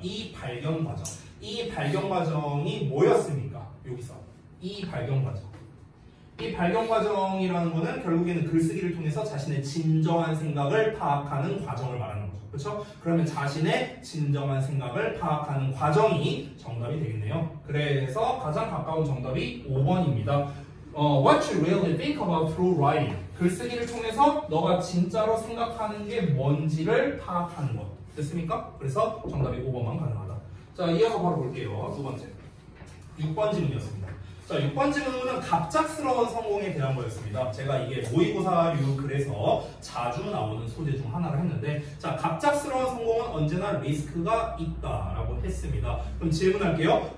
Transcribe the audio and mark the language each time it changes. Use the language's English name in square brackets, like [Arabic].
[Korean] 이 발견 과정. 이 발견 과정이 뭐였습니까? 여기서. 이 발견 과정. 이 발견 과정이라는 거는 결국에는 글쓰기를 통해서 자신의 진정한 생각을 파악하는 과정을 말하는 거죠. 그렇죠? 그러면 자신의 진정한 생각을 파악하는 과정이 정답이 되겠네요. 그래서 가장 가까운 정답이 5번입니다. [English] What you really think about through writing. [Korean] 글쓰기를 통해서 너가 진짜로 생각하는 게 뭔지를 파악하는 것. 됐습니까? 그래서 정답이 5번만 가능하다. 자, 이어서 바로 볼게요. 두 번째. 6번 질문이었습니다. 자, 6번 질문은 갑작스러운 성공에 대한 거였습니다. 제가 이게 모의고사류 글에서 자주 나오는 소재 중 하나를 했는데 자, 갑작스러운 성공은 언제나 리스크가 있다라고 했습니다. 그럼 질문할게요.